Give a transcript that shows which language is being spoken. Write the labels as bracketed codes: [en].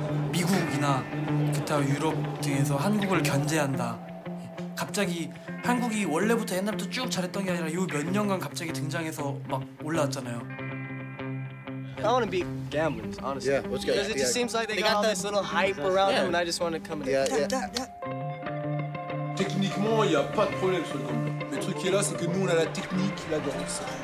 [ko] 미국이나 기타 유럽 등에서 한국을 견제한다. 갑자기 한국이 원래부터 옛날부터 쭉 잘했던 게 아니라 요 몇 년간 갑자기 등장해서 막 올라왔잖아요. [en] I want to beat Gamblers, honestly. Yeah, let's go. Because it just seems like they got this little hype around them, and I just want to come in. Yeah. [fr] Techniquement, il y a pas de problème sur le combat. Le truc qui est là, c'est que nous, on a la technique, la danse.